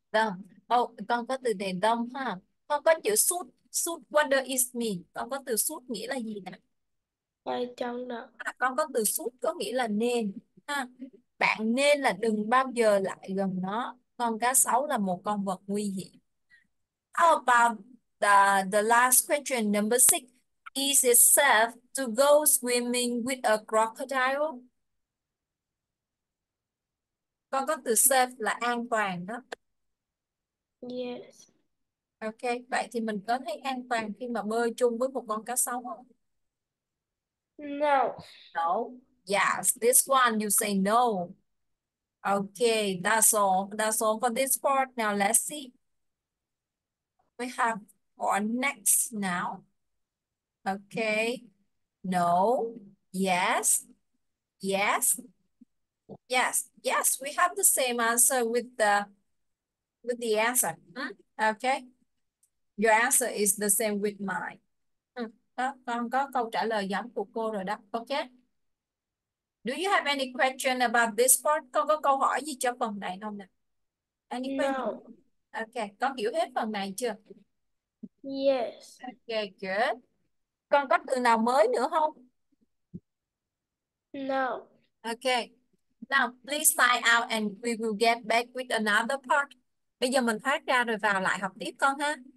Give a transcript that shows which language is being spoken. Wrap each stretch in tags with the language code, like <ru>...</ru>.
<vi>Đông. Con có từ này đông ha. Con có chữ suit.</vi> <en>Suit, what does it mean?</en> <vi>Con có từ suit nghĩa là gì nè?</vi> <en>I don't know.</en> <vi>À, con có từ suit có nghĩa là nên. Ha. Bạn nên là đừng bao giờ lại gần nó. Con cá sấu là một con vật nguy hiểm.</vi> <en>How about the last question, number 6. Is it safe to go swimming with a crocodile?</en> <vi>Con có từ safe là an toàn đó.</vi> <en>Yes.</en> <vi>Ok, vậy thì mình có thấy an toàn khi mà bơi chung với một con cá sấu không?</vi> <en>No. No. Yes, this one you say no. Ok, that's all for this part. Now let's see. We have or next now. Okay. No. Yes. Yes. Yes. Yes. We have the same answer with the answer. Okay. Your answer is the same with mine.</en> <vi>Đó, con có câu trả lời giống của cô rồi đó.</vi> <en>Ok. Do you have any question about this part?</en> <vi>Con có câu hỏi gì cho phần này không nè?</vi> <en>Any No. question? Ok.</en> <vi>Con hiểu hết phần này chưa?</vi> <en>Yes. Ok, good.</en> <vi>Còn có từ nào mới nữa không?</vi> <en>No. Ok. Now, please sign out and we will get back with another part.</en> <vi>Bây giờ mình thoát ra rồi vào lại học tiếp con ha.</vi>